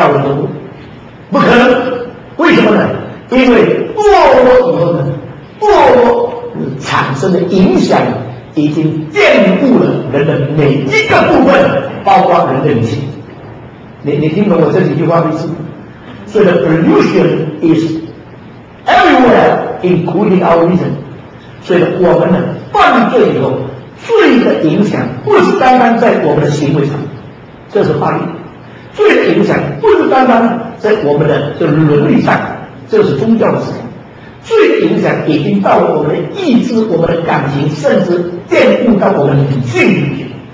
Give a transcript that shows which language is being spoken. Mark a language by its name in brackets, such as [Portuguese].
[Chinese] 要我说不可能，为什么呢？因为堕落以后呢，堕落产生的影响已经玷污了人的每一个部分，包括人的理性。你听懂我这几句话的意思？所以 [English] the pollution is everywhere including our reason。 [Chinese] 所以我们呢，犯罪以后，罪的影响不是单单在我们的行为上，这是法律，罪的影响不是单单在我们的这伦理上，这是宗教的事情。罪的影响已经到了我们的意志、我们的感情，甚至玷污到我们的理性里面。